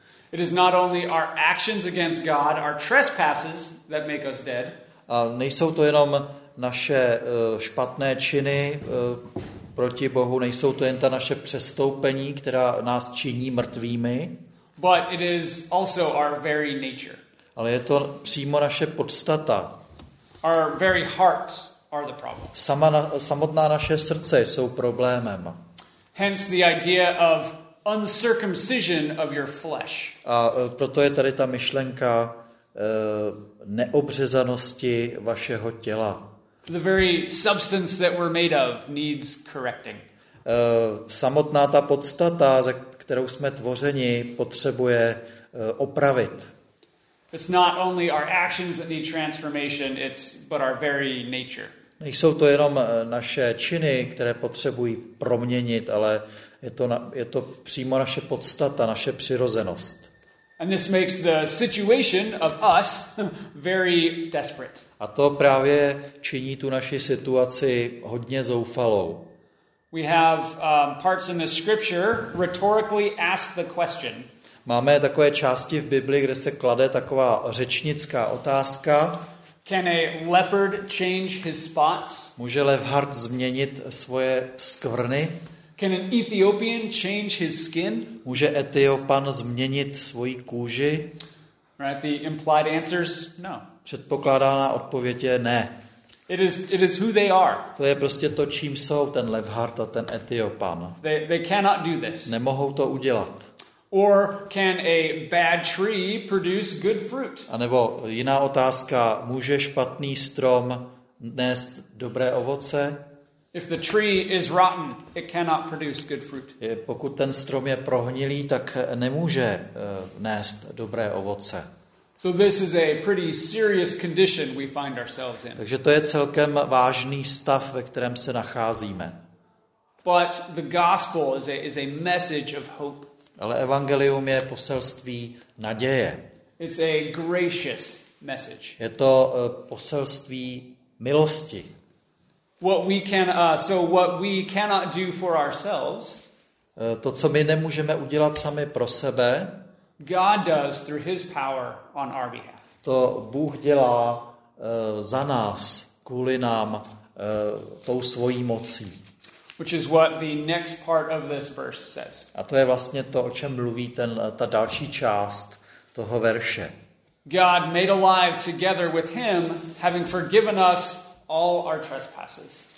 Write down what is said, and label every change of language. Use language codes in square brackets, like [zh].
[en] It is not only our actions against God, our trespasses that make us dead. [cs] A nejsou to jenom naše špatné činy proti Bohu, nejsou to jen ta naše přestoupení, která nás činí mrtvými. [en] But it is also our very nature. [cs] Ale je to přímo naše podstata. [en] Our very hearts are the problem. [cs] Samotná naše srdce jsou problémem. [en] Hence the idea of uncircumcision of your flesh. [cs] A proto je tady ta myšlenka neobřezanosti vašeho těla. [en] The very substance that we're made of needs correcting. [cs] Samotná ta podstata, ze kterou jsme tvořeni, potřebuje opravit. [en] It's not only our actions that need transformation, it's but our very nature. [cs] Nejsou to jenom naše činy, které potřebují proměnit, ale je to přímo naše podstata, naše přirozenost. [en] And this makes the situation of us very desperate. [cs] A to právě činí tu naši situaci hodně zoufalou. [en] We have parts in the scripture rhetorically ask the question. [cs] Máme takové části v Biblii, kde se klade taková řečnická otázka. [en] Can a leopard change his spots? [cs] Může levhart změnit svoje skvrny? [en] Can an Ethiopian change his skin? [cs] Může Etiopan změnit svoji kůži? [en] Right, the implied answers, no. [cs] Předpokládaná odpověď je ne. [en] It is who they are. [cs] To je prostě to, čím jsou ten levhart a ten Etiopan. [en] They cannot do this. [cs] Nemohou to udělat. [en] Or can a bad tree produce good fruit? [cs] A nebo jiná otázka, může špatný strom nést dobré ovoce? [en] If the tree is rotten, it cannot produce good fruit. [cs] Pokud ten strom je prohnilý, tak nemůže nést dobré ovoce. [en] So this is a pretty serious condition we find ourselves in. [cs] Takže to je celkem vážný stav, ve kterém se nacházíme. [en] But the gospel is a message of hope. [cs] Ale evangelium je poselství naděje. [en] It's a gracious message. [cs] Je to poselství milosti. [en] What we cannot do for ourselves, [cs] to co my nemůžeme udělat sami pro sebe, [en] God does through his power on our behalf. [cs] To Bůh dělá za nás, kvůli nám, tou svojí mocí. [en] Which is what the next part of this verse says. [cs] A to je vlastně to, o čem mluví ta další část toho verše. [en] God made alive together with him, having forgiven us all our trespasses.